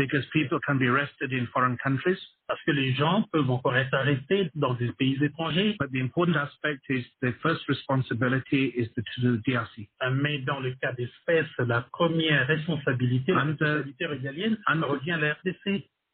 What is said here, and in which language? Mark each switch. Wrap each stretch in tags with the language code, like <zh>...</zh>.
<en>Because people can be arrested in foreign countries.</en> <fr>Parce que les gens peuvent encore être arrêtés dans des pays étrangers.</fr> <en>But the important aspect is the first responsibility is the DRC.</en> <fr>Mais dans le cas d'espèce, la première responsabilité, régalienne, revient à la RDC.</fr>